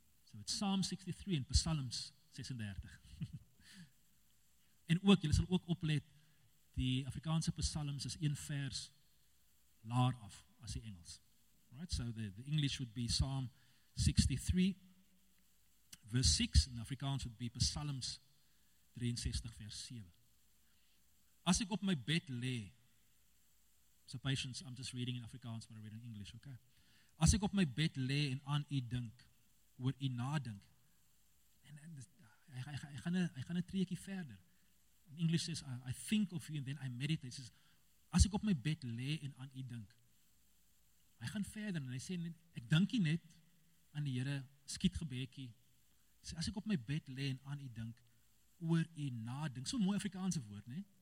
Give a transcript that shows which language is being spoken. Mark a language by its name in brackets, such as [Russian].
[English] So it's [Afrikaans] Psalm 63 en Psalms 36. En ook, julle sal ook oplet, die Afrikaanse Psalms is een vers laar af as die Engels. Right? [English] So the English would be Psalm 63 verse 6 en Afrikaans would be Psalms 63 vers 7. [Afrikaans] As ek op my bed lê, [English] so patience, I'm just reading in Afrikaans, but I read in English, okay? [Afrikaans] As ek op my bed lê en aan u dink, oor u nadink, and ek gaan 'n treetjie verder. [English] In English says, I think of you and then I meditate. It says, [Afrikaans] as ek op my bed lê en aan u dink, hy gaan verder en hy sê, ek dink nie net aan die Here, skiet gebedjie. Sê, as ek op my bed lê en aan u dink, oor u nadink, so mooi Afrikaanse woord, nee?